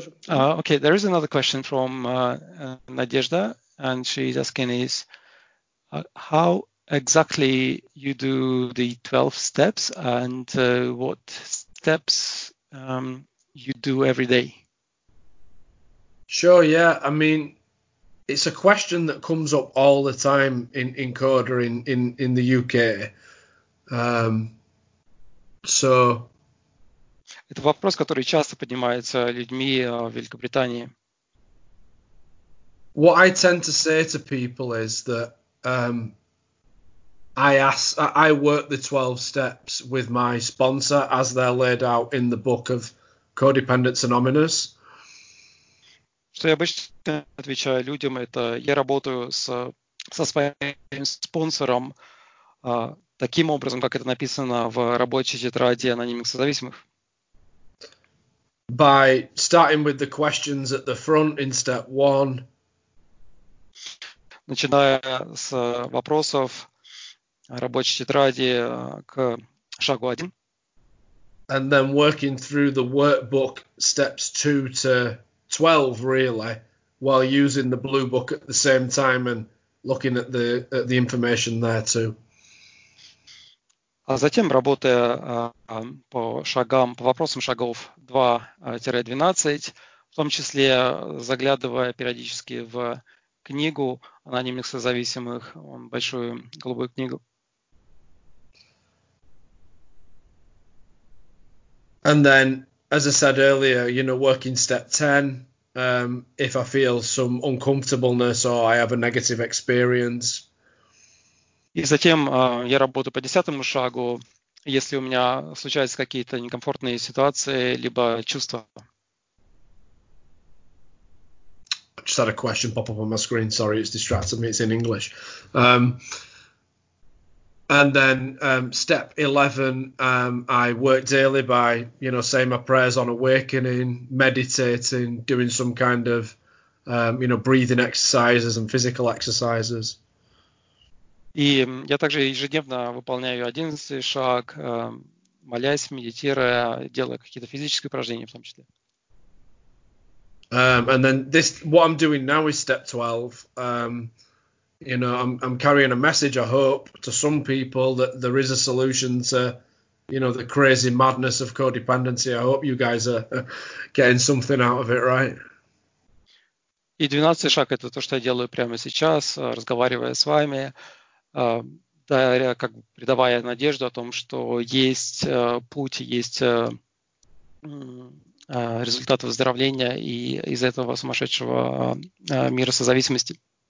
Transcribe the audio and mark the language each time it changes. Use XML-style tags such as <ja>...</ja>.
<en>Okay, there is another question from Надежда, and she's asking is, how exactly you do the 12 steps and what steps you do every day? Sure, yeah. I mean, it's a question that comes up all the time in Coda in the UK. So...</en> <ru>Это вопрос, который часто поднимается людьми в Великобритании.</ru> <en>What I tend to say to people is that I work the 12 steps with my sponsor as they're laid out in the book of Codependence Anonymous.</en> <ru>Что я обычно отвечаю людям, это я работаю со своим спонсором таким образом, как это написано в рабочей тетради анонимных созависимых.</ru> <en>By starting with the questions at the front in step one.</en> <ru>Начиная с вопросов рабочей тетради к шагу один.</ru> <en>And then working through the workbook steps 2 to 12, really, while using the blue book at the same time and looking at the information there too.</en> <ru>А затем, работая по шагам, по вопросам шагов 2-12, в том числе заглядывая периодически в книгу анонимных созависимых, большую голубую книгу.</ru> <en>And then, as I said earlier, you know, working step 10, if I feel some uncomfortableness or I have a negative experience.</en> <ru>И затем я работаю по 10-му шагу, если у меня случаются какие-то некомфортные ситуации, либо чувства.</ru> <en>I just had a question pop up on my screen. Sorry, it's distracting me. It's in English. And then step 11, I work daily by, you know, saying my prayers on awakening, meditating, doing some kind of, you know, breathing exercises and physical exercises.</en> <ru>И я также ежедневно выполняю 11-й шаг, молясь, медитируя, делая какие-то физические упражнения в том числе.</ru> <en>And then this, what I'm doing now is step 12. you know, I'm carrying a message, I hope, to some people that there is a solution to, you know, the crazy madness of codependency. I hope you guys are getting something out of it, right?</en> <ru>И 12-й шаг – это то, что я делаю прямо сейчас, разговаривая с вами, да, как бы придавая надежду о том, что есть путь, есть результат выздоровления и из этого сумасшедшего мира созависимости.</ru>